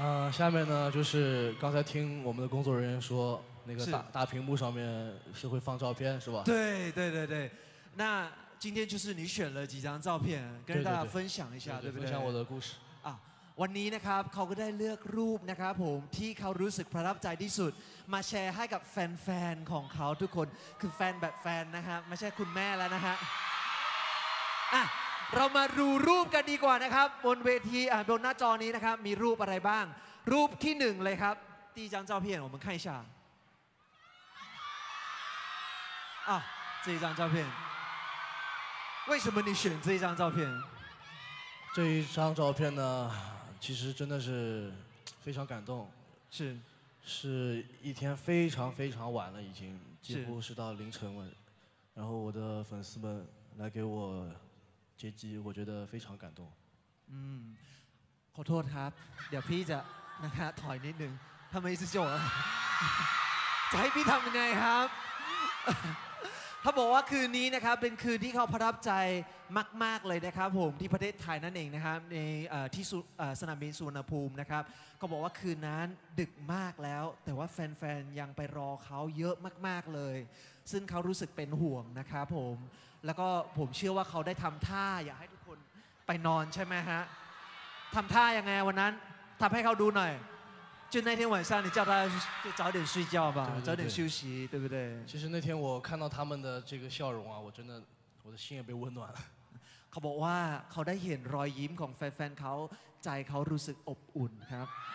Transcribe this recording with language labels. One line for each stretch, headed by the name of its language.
Chinese: 下面呢就是刚才听我们的工作人员说那个大屏幕上面是会放照片是吧对对对对那今天就是你选了几张照片跟大家分享一下对, 对不对分享我的故事
Thai: วันนี้นะครับเขาก็ได้เลือกรูปนะครับผมที่เขารู้สึกประทับใจที่สุดมาแชร์ให้กับแฟนๆของเขาทุกคนคือแฟนแบบแฟนนะครับไม่ใช่คุณแม่แล้วนะฮะเรามาดูรูปกันดีกว่านะครับบนเวทีบนหน้าจอนี้นะครับมีรูปอะไรบ้างรูปที่หนึ่งเลยครับตีจังเจ้าเพียงผมให้ชาตีจังเจ้าเพียง
Chinese: 为什么你选这张照片这一张照片呢其实真的是非常感动是是一天非常非常晚了已经几乎是到凌晨了然后我的粉丝们来给我接机我觉得非常感动
Thai: 嗯ขอโทษครับเดี๋ยวพี่จะนะครับถอยนิดนึงทำไมสิจวบจะให้พี่ทำยังไงครับเขาบอกว่าคืนนี้นะครับเป็นคืนที่เขาประทับใจ มากๆเลยนะครับผมที่ประเทศไทยนั่นเองนะครับในที่สนามบินสุวรรณภูมินะครับเขาบอกว่าคืนนั้นดึกมากแล้วแต่ว่าแฟนๆยังไปรอเขาเยอะมากๆเลยซึ่งเขารู้สึกเป็นห่วงนะครับผมแล้วก็ผมเชื่อว่าเขาได้ทำท่าอยากให้ทุกคนไปนอนใช่ไหมฮะทำท่ายังไงวันนั้นทำให้เขาดูหน่อย
Chinese: 就那天晚上，你叫大家就早点睡觉吧，早点休息，对不对？其实那天我看到他们的这个笑容啊，我真的我的心也被温暖了。
Thai: เขาบอกว่าเขาได้เห็นรอยยิ้มของแฟนๆเขาใจเขารู้สึกอบอุ่นครับ。